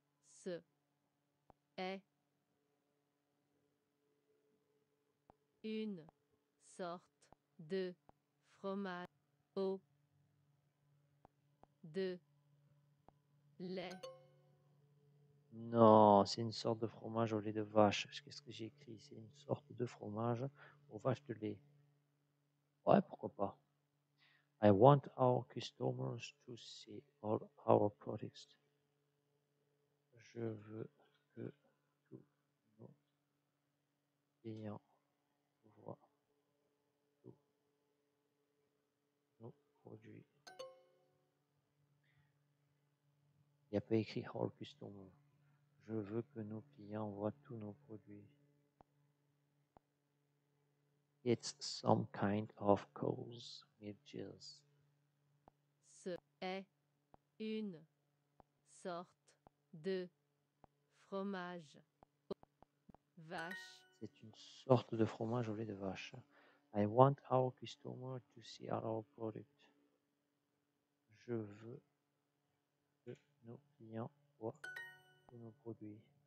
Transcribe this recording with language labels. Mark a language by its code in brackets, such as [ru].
[fr] Ce est une sorte de fromage. De lait Non, c'est une sorte de fromage au lait de vache. Qu'est-ce que j'ai écrit? C'est une sorte de fromage aux vaches de lait. Ouais, pourquoi pas. [en] I want our customers to see all our products. [fr] Je veux que tous nos clients voient tous nos produits. Il n'y a pas écrit [en] all customers. [fr] Je veux que nos clients voient tous nos produits. [en] It's some kind of cows, midges. [fr] Ce est une sorte de fromage aux vaches. C'est une sorte de fromage au lait de vache. [en] I want our customer to see our product. [fr] Je veux que nos clients voient tous nos produits.